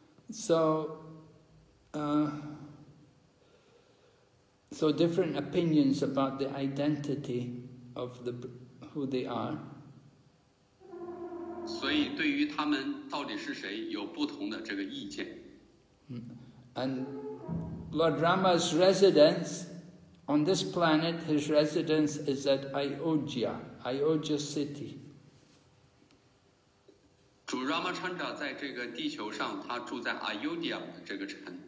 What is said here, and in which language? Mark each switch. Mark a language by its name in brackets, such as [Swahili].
[English] So different opinions about the identity of who they are. [Chinese] 所以对于他们到底是谁有不同的这个意见。 [English] And Lord Rama's residence on this planet, his residence is at Ayodhya city. [Chinese] 主 Ramachandra 在这个地球上，他住在 Ayodhya 这个城。